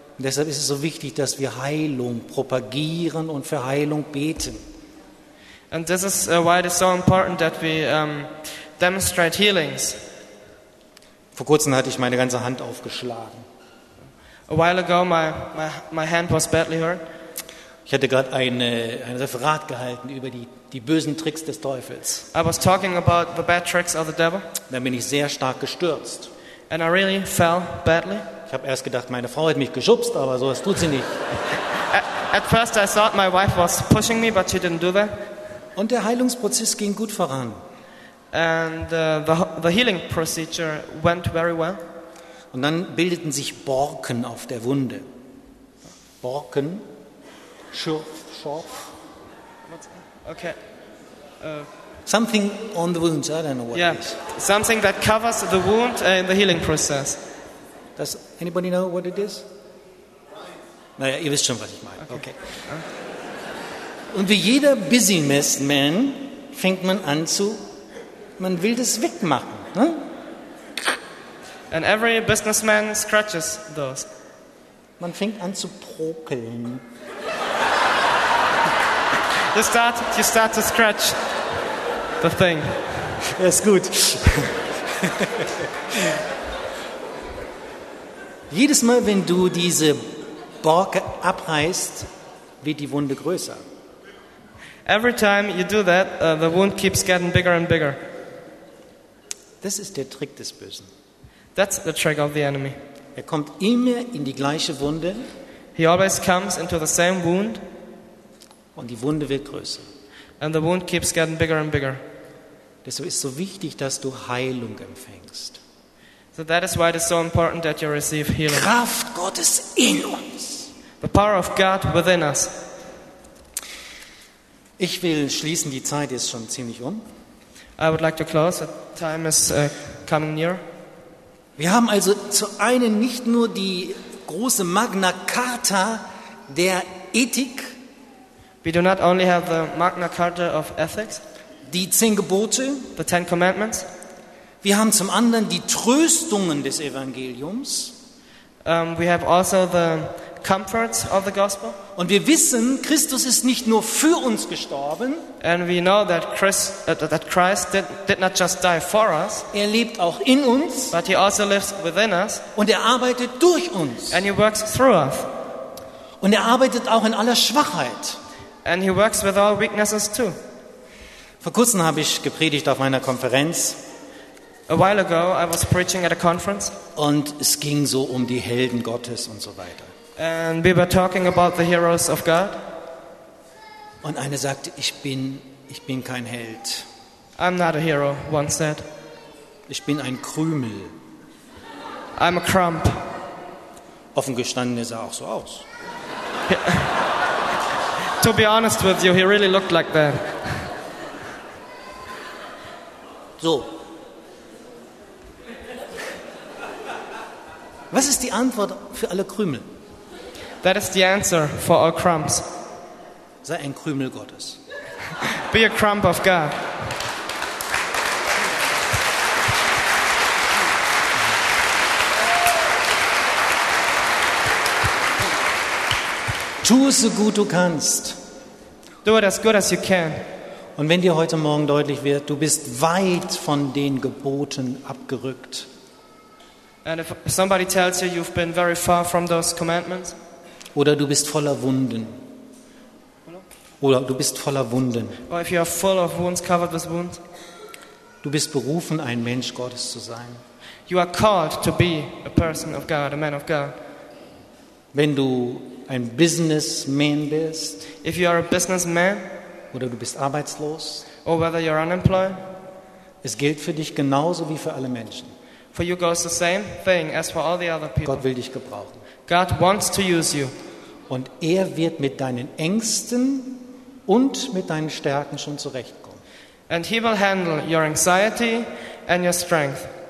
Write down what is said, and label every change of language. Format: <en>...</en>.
<de>Und deshalb ist es so wichtig, dass wir Heilung propagieren und für Heilung beten.</de> <en>And this is why it is so important that we demonstrate healings.</en> <de>Vor kurzem hatte ich meine ganze Hand aufgeschlagen.</de> <en>A while ago my hand was badly hurt.</en> <de>Ich hatte gerade ein Referat gehalten über die bösen Tricks des Teufels.</de> <en>I was talking about the bad tricks of the devil.</en> <de>Dann bin ich sehr stark gestürzt.</de> <en>And I really fell badly.</en> <de>Ich habe erst gedacht, meine Frau hat mich geschubst, aber sowas tut sie nicht.</de> <en>At first I thought my wife was pushing me, but she didn't do that.</en> <de>Und der Heilungsprozess ging gut voran.</de> <en>And the healing procedure went very well.</en> <de>Und dann bildeten sich Borken auf der Wunde. Borken, Schorf. Okay.</de> <en>Something on the wounds. I don't know what it is. Something that covers the wound in the healing process. Does anybody know what it is?</en> <de>Naja, ihr wisst schon, was ich meine. Okay. Und wie jeder Business Man fängt man an zu. Man will das wegmachen, ne?</de> <en>And every businessman scratches those.</en> <de>Man fängt an zu prokeln.</de> <en>You start to scratch the thing.</en> <de>Das ist gut. Jedes Mal, wenn du diese Borke abreißt, wird die Wunde größer.</de> <en>Every time you do that, the wound keeps getting bigger and bigger.</en> <de>Das ist der Trick des Bösen.</de> <en>That's the trick of the enemy.</en> <de>Er kommt immer in die gleiche Wunde.</de> <en>He always comes into the same wound.</en> <de>Und die Wunde wird größer.</de> <en>And the wound keeps getting bigger and bigger.</en> <de>Deshalb ist so wichtig, dass du Heilung empfängst.</de> <en>So that is why it is so important that you receive healing.</en> <de>Kraft Gottes in uns.</de> <en>The power of God within us.</en> <de>Ich will schließen, die Zeit ist schon ziemlich um.</de> <en>I would like to close. The time is coming near.</en> <de>Wir haben also zu einem nicht nur die große Magna Carta der Ethik.</de> <en>We do not only have the Magna Carta of Ethics.</en> <de>Die 10 Gebote.</de> <en>The 10 Commandments.</en> <de>Wir haben zum anderen die Tröstungen des Evangeliums.</de> <en>We have also the comforts of the gospel.</en> <de>Und wir wissen, Christus ist nicht nur für uns gestorben.</de> <en>And we know that Christ did not just die for us.</en> <de>Er lebt auch in uns.</de> <en>But he also lives within us.</en> <de>Und er arbeitet durch uns.</de> <en>And he works through us.</en> <de>Und er arbeitet auch in aller Schwachheit.</de> <en>And he works with all weaknesses too.</en> <de>Vor kurzem habe ich gepredigt auf meiner Konferenz.</de> <en>A while ago I was preaching at a conference.</en> <de>Und es ging so um die Helden Gottes und so weiter.</de> <en>And we were talking about the heroes of God.</en> <de>Und eine sagte, ich bin kein Held.</de> <en>I'm not a hero, one said.</en> <de>Ich bin ein Krümel.</de> <en>I'm a crump.</en> <de>Offen gestanden, er sah auch so aus.</de> <en>To be honest with you, he really looked like that. So.</en> <de>Was ist die Antwort für alle Krümel?</de> <en>That is the answer for all crumbs.</en> <de>Sei ein Krümel Gottes.</de> <en>Be a crumb of God.</en> <de>Tu es so gut du kannst.</de> <en>Do it as good as you can.</en> <de>Und wenn dir heute Morgen deutlich wird, du bist weit von den Geboten abgerückt.</de> <en>And if somebody tells you you've been very far from those commandments.</en> <de>Oder du bist voller Wunden. Oder du bist voller Wunden.</de> <en>Or if you are full of wounds, covered with wounds.</en> <de>Du bist berufen, ein Mensch Gottes zu sein.</de> <en>You are called to be a person of God, a man of God.</en> <de>Wenn du ein Businessman bist.</de> <en>If you are a businessman.</en> <de>Oder du bist arbeitslos.</de> <en>Or whether you are unemployed.</en> <de>Es gilt für dich genauso wie für alle Menschen.</de> <en>For you goes the same thing as for all the other people.</en> <de>Gott will dich gebrauchen.</de> <en>God wants to use you.</en> <de>Und er wird mit deinen Ängsten und mit deinen Stärken schon zurechtkommen.</de> <en>And he will handle your anxiety and your strength.</en>